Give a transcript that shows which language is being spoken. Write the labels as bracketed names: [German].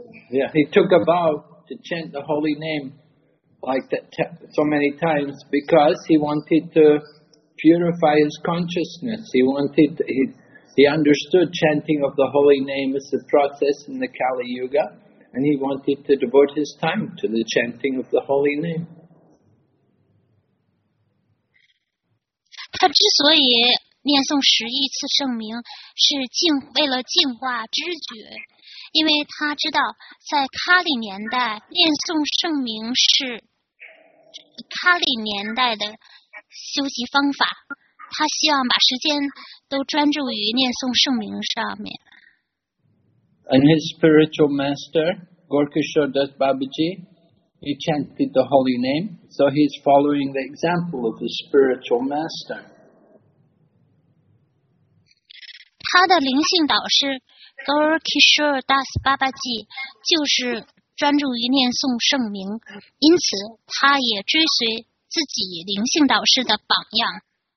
[English] Yeah, he took a vow to chant the holy name like that so many times because he wanted to purify his consciousness. He understood chanting of the holy name is a process in the Kali Yuga, and he wanted to devote his time to the chanting of the holy name. [Chinese] 他之所以念诵十亿次圣名，是净为了净化知觉，因为他知道在卡里年代念诵圣名是卡里年代的修习方法。他希望把时间都专注于念诵圣名上面。 [English] And his spiritual master, Gorkhasur Das Babaji, he chanted the holy name, so he's following the example of his spiritual master. [Chinese] 他的灵性导师 Gorkhasur Das Babaji 就是专注于念诵圣名，因此他也追随自己灵性导师的榜样。